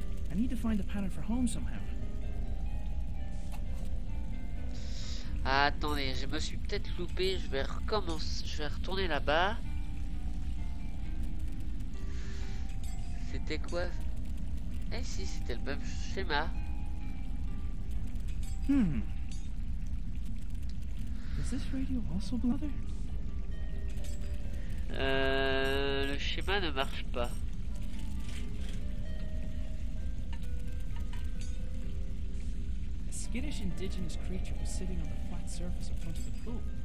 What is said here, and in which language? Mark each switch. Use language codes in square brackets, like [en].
[en] I need to find a pattern for home somehow. [fr] Attendez, je me suis peut-être loupé, je vais recommencer, je vais retourner là-bas. C'était quoi? Eh si, c'était le même schéma. [en] Is this radio also blather? [fr] Le schéma ne marche pas. [en] A skittish indigenous creature was sitting on the flat surface in front of the pool.